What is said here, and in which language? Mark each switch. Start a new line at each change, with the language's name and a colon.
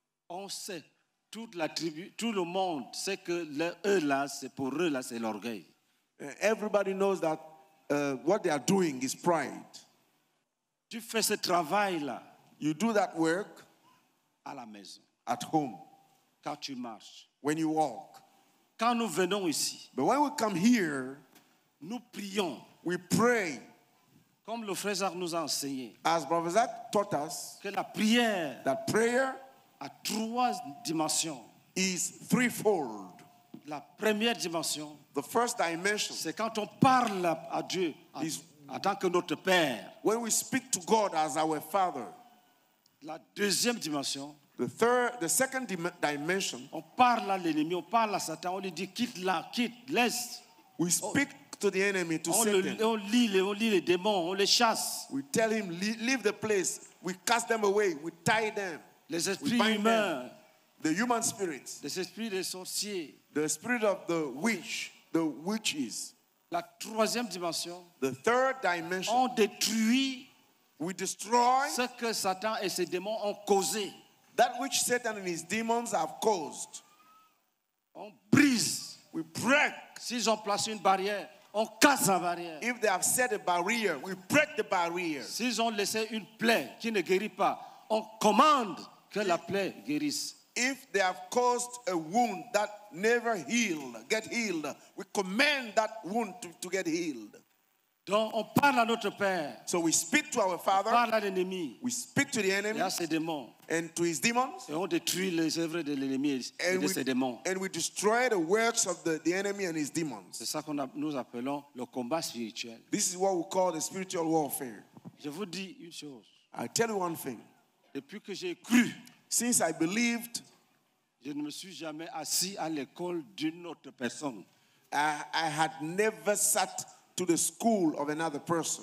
French: On sait, toute la tribu, tout le monde sait que le, eux là, c'est pour eux là, c'est l'orgueil.
English: Everybody knows that what they are doing is pride.
French: Tu fais ce travail là.
English: You do that work
French: à la maison.
English: At home.
French: Quand tu marches.
English: When you walk.
French: Quand nous venons ici.
English: But when we come here,
French: nous prions.
English: We pray.
French: Comme le frère Zach nous a enseigné.
English: As Brother Zach taught us,
French: que la prière,
English: that prayer,
French: a trois dimensions,
English: is threefold.
French: La première dimension,
English: the first dimension,
French: c'est quand on parle à Dieu, is, en tant que notre Père.
English: When we speak to God as our Father.
French: La deuxième dimension,
English: the second dimension,
French: on parle à l'ennemi, on parle à Satan, on lui dit quitte là, quitte, laisse.
English: We speak to the enemy, to Satan. We tell him, leave the place. We cast them away. We tie them.
French: Les esprits humains, them.
English: The human spirits.
French: Les esprits des sorciers,
English: the spirit of the witch. The witches.
French: La troisième dimension,
English: the third dimension.
French: On détruit,
English: we destroy
French: ce que Satan et ses démons ont causé.
English: That which Satan and his demons have caused.
French: On brise.
English: We break.
French: S'ils ont placé une barrière, on casse la barrière.
English: If they have set a barrier, we break the barrier.
French: S'ils ont laissé une plaie qui ne guérit pas, on commande que la plaie guérisse.
English: If they have caused a wound that never healed, get healed, we command that wound to get healed.
French: Donc on parle à notre Père.
English: So we speak to our Father.
French: On parle à l'ennemi.
English: We speak to the enemy.
French: Et à ses démons.
English: And to his demons.
French: Et on détruit les œuvres de l'ennemi et de ses démons.
English: And we destroy the works of the enemy and his demons.
French: C'est ça qu'on nous appelons le combat spirituel.
English: This is what we call the spiritual warfare.
French: Je vous dis une chose.
English: I tell you one thing.
French: Depuis que j'ai cru,
English: since I believed,
French: je ne me suis jamais assis à l'école d'une autre personne.
English: I had never sat to the school of another person.